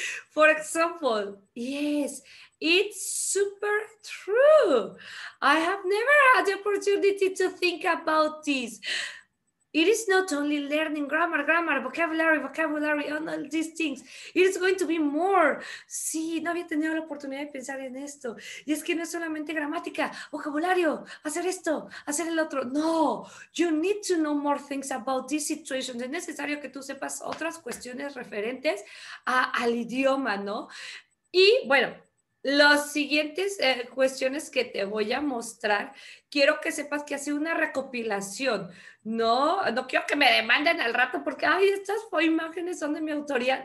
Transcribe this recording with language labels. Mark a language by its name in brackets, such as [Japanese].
[English] For example, yes, it's super true. I have never had the opportunity to think about this. It is not only learning grammar, vocabulary, and all these things. It is going to be more. [Spanish] Sí, no había tenido la oportunidad de pensar en esto. Y es que no es solamente gramática, vocabulario, hacer esto, hacer el otro. [English] No, you need to know more things about this situation. [Spanish] Es necesario que tú sepas otras cuestiones referentes al idioma, ¿no? Y bueno, las siguientes cuestiones que te voy a mostrar, quiero que sepas que hace una recopilación. No, no quiero que me demanden al rato porque, ay, estas imágenes son de mi autoría.